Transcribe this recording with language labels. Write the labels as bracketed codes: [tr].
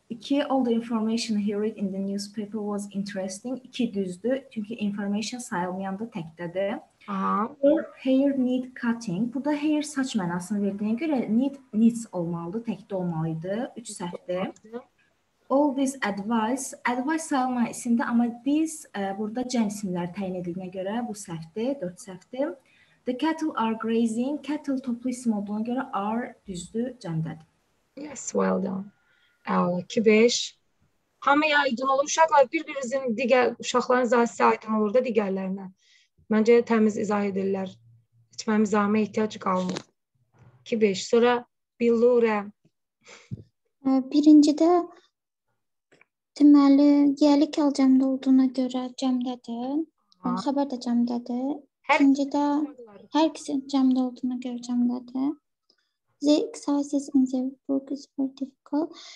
[az] İki, [en] all the information he read in the newspaper was interesting. [az] İki düzdü. Çünkü information sayılmayan da təkdədir. Aha. [en] Or hair need cutting. [az] Bu da hair saç mənasını verdiyinə görə needs olmalıdır, təkdə olmalıydı. Üç səhvdi. [en] All this advice. [az] Advice sayılmayan isimdə, amma biz burada cəm isimlər təyin edildiyinə görə bu səhvdi, dörd səhvdi. [en] The cattle are grazing. [az] Cattle toplu isim olduğuna görə are düzdü, cəmdədir. [en] Yes, well done. [az] 2-5. Hamı aydın olur. Uşaqlar bir-birinizin digər uşaqların zahisi aydın olur da digərlərinə. Məncə təmiz izah edirlər. Heç mənim izahıma ehtiyac qalmır. 2-5. Sonra Billure. Birincidə deməli, yəlik alcəmdə olduğuna görə cəmdədir. Onun xəbər də cəmdədir. İkincidə hər kəsin cəmdə olduğuna görə cəmdədir. [en] The exercises in the book is very difficult.